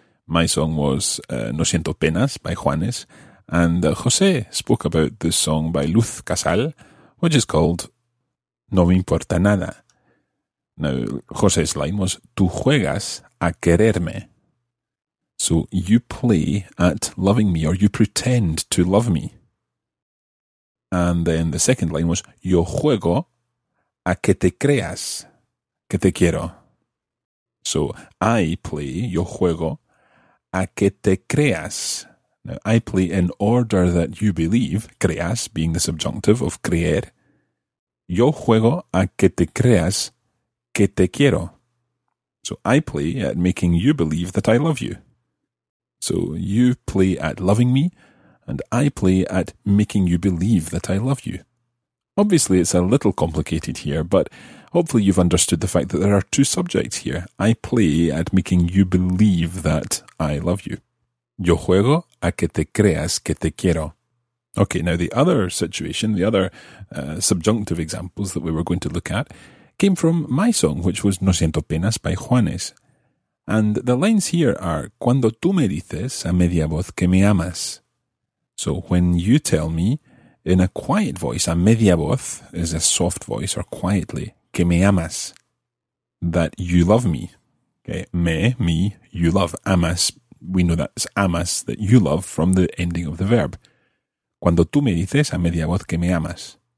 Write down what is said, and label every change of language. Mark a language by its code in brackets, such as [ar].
[en] My song was No Siento Penas by Juanes. And José spoke about this song by Luz Casal, which is called No Me Importa Nada. Now, José's line was, [es] Tú juegas a quererme. [en] So you play at loving me, or you pretend to love me. And then the second line was, [es] Yo juego a que te creas que te quiero. [en] So I play, [es] yo juego, a que te creas. [en] Now, I play in order that you believe, creas being the subjunctive of creer. [es] Yo juego a que te creas que te quiero. [en] So I play at making you believe that I love you. So you play at loving me, and I play at making you believe that I love you. Obviously, it's a little complicated here, but hopefully you've understood the fact that there are two subjects here. I play at making you believe that I love you. [es] Yo juego a que te creas que te quiero. [en] Okay, now the other situation, the other subjunctive examples that we were going to look at came from my song, which was No Siento Penas by Juanes. And the lines here are, [es] Cuando tú me dices a media voz que me amas. [en] So when you tell me, in a quiet voice, [es] a media voz [en] is a soft voice or quietly, [es] que me amas, [en] that you love me. Okay, me, you love, amas, we know that's amas, that you love from the ending of the verb. [es] Cuando tú me dices a media voz que me amas.